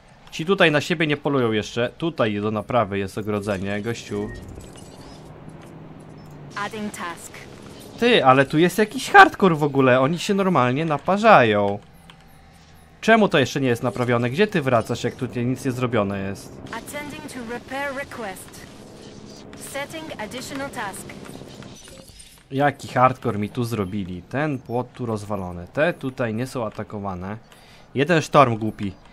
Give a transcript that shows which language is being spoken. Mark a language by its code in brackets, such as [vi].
[pl] Ci tutaj na siebie nie polują jeszcze. Tutaj do naprawy jest ogrodzenie, gościu. [en] Adding task. [pl] Ty, ale tu jest jakiś hardcore w ogóle. Oni się normalnie naparzają. Czemu to jeszcze nie jest naprawione? Gdzie ty wracasz, jak tutaj nic nie zrobione jest? [en] Attending to repair request. Setting additional task. [pl] Jaki hardcore mi tu zrobili. Ten płot tu rozwalony. Te tutaj nie są atakowane. Jeden sztorm głupi.